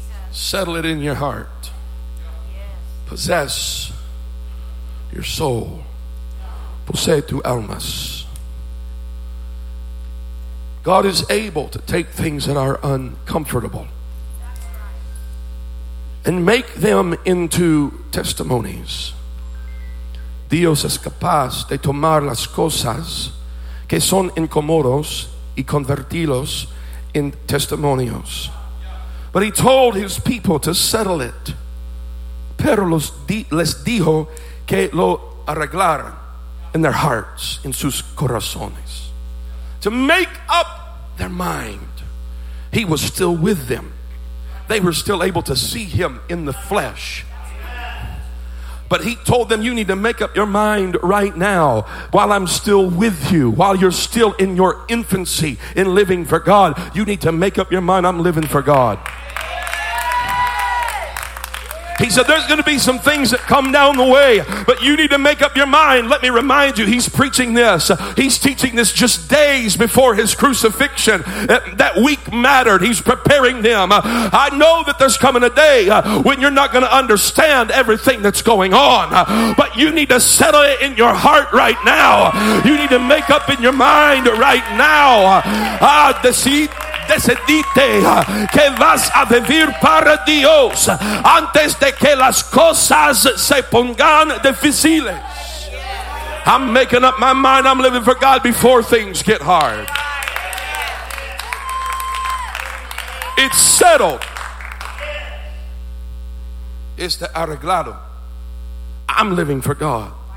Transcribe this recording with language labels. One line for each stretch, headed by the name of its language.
English: Settle it in your heart. Possess your soul.
Spanish: Posee tu almas.
English: God is able to take things that are uncomfortable and make them into testimonies.
Spanish: Dios es capaz de tomar las cosas que son incomodos y convertirlos en testimonios.
English: But he told his people to settle it.
Spanish: Pero les dijo que lo arreglaran
English: in their hearts,
Spanish: in sus corazones.
English: To make up their mind. He was still with them. They were still able to see him in the flesh. But he told them, you need to make up your mind right now while I'm still with you, while you're still in your infancy in living for God. You need to make up your mind, I'm living for God. He said, there's going to be some things that come down the way, but you need to make up your mind. Let me remind you, he's preaching this. He's teaching this just days before his crucifixion. That week mattered. He's preparing them. I know that there's coming a day when you're not going to understand everything that's going on, but you need to settle it in your heart right now. You need to make up in your mind right now.
Spanish: Decidite que vas a vivir para Dios antes de que las cosas se pongan difíciles.
English: I'm making up my mind, I'm living for God before things get hard. It's settled.
Spanish: Está arreglado.
English: I'm living for God.